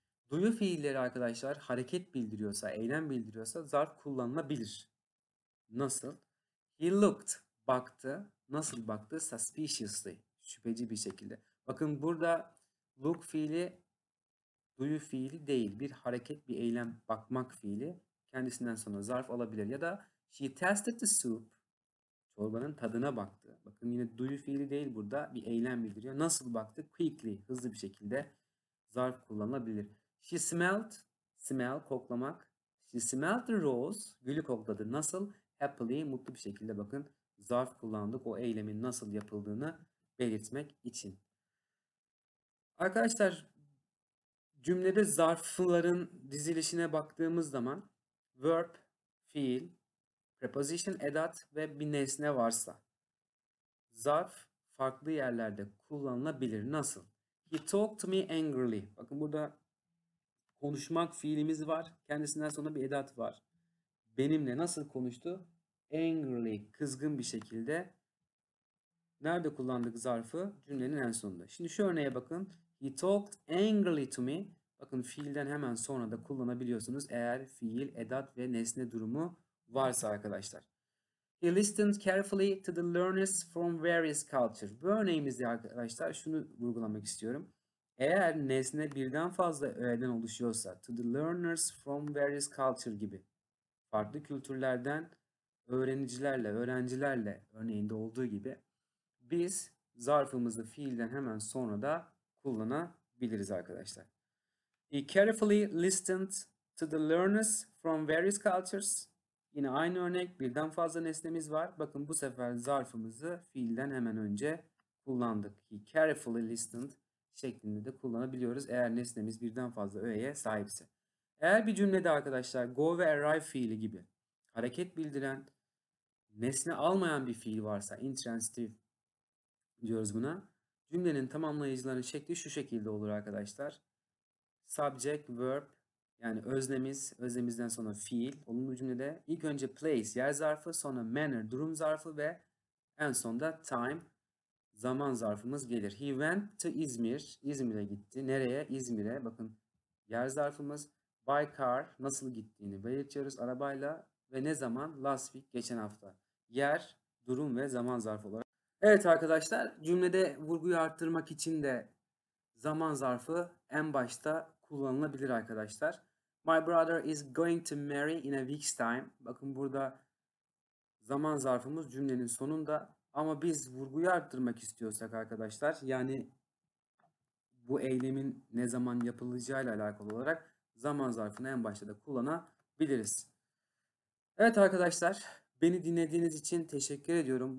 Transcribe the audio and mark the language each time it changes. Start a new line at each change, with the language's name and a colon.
Turkish: Duyu fiilleri arkadaşlar hareket bildiriyorsa, eylem bildiriyorsa zarf kullanılabilir. Nasıl?
English: He looked,
Turkish: baktı. Nasıl baktı? Suspiciously, şüpheci bir şekilde. Bakın burada look fiili duyu fiili değil. Bir hareket, bir eylem, bakmak fiili. Kendisinden sonra zarf alabilir.
English: Ya da she tasted the soup.
Turkish: Çorbanın tadına baktı. Bakın yine duyu fiili değil burada. Bir eylem bildiriyor. Nasıl baktı? Quickly, hızlı bir şekilde zarf kullanılabilir.
English: She smelled, smell, koklamak. She smelled the rose,
Turkish: gülü kokladı. Nasıl? Happily, mutlu bir şekilde bakın. Zarf kullandık o eylemin nasıl yapıldığını belirtmek için. Arkadaşlar, cümlede zarfların dizilişine baktığımız zaman verb, fiil, preposition, edat ve bir nesne varsa zarf farklı yerlerde kullanılabilir. Nasıl?
English: He talked to me angrily.
Turkish: Bakın burada konuşmak fiilimiz var. Kendisinden sonra bir edat var. Benimle nasıl konuştu? Angrily, kızgın bir şekilde. Nerede kullandık zarfı? Cümlenin en sonunda. Şimdi şu örneğe bakın.
English: He talked angrily to me.
Turkish: Bakın fiilden hemen sonra da kullanabiliyorsunuz. Eğer fiil, edat ve nesne durumu varsa arkadaşlar.
English: He listened carefully to the learners from various cultures.
Turkish: Bu örneğimizde arkadaşlar şunu vurgulamak istiyorum. Eğer nesne birden fazla öğeden oluşuyorsa,
English: to the learners from various cultures
Turkish: gibi farklı kültürlerden öğrenicilerle, öğrencilerle örneğinde olduğu gibi biz zarfımızı fiilden hemen sonra da kullanabiliriz arkadaşlar.
English: He carefully listened to the learners from various cultures.
Turkish: Yine aynı örnek, birden fazla nesnemiz var. Bakın bu sefer zarfımızı fiilden hemen önce kullandık.
English: He carefully listened
Turkish: şeklinde de kullanabiliyoruz eğer nesnemiz birden fazla öğeye sahipse. Eğer bir cümlede arkadaşlar go ve arrive fiili gibi hareket bildiren, nesne almayan bir fiil varsa, intransitive diyoruz buna. Cümlenin tamamlayıcılarının şekli şu şekilde olur arkadaşlar. Subject, verb, yani öznemiz, öznemizden sonra fiil. Olumlu cümlede ilk önce place, yer zarfı, sonra manner, durum zarfı ve en sonunda time, zaman zarfımız gelir.
English: He went to İzmir,
Turkish: İzmir'e gitti. Nereye? İzmir'e. Bakın yer zarfımız
English: by car,
Turkish: nasıl gittiğini belirtiyoruz arabayla. Ve ne zaman?
English: Last week,
Turkish: geçen hafta. Yer, durum ve zaman zarfı olarak. Evet arkadaşlar, cümlede vurguyu arttırmak için de zaman zarfı en başta kullanılabilir arkadaşlar.
English: My brother is going to marry in a week's time.
Turkish: Bakın burada zaman zarfımız cümlenin sonunda. Ama biz vurguyu arttırmak istiyorsak arkadaşlar, yani bu eylemin ne zaman yapılacağıyla alakalı olarak zaman zarfını en başta da kullanabiliriz. Evet arkadaşlar, beni dinlediğiniz için teşekkür ediyorum.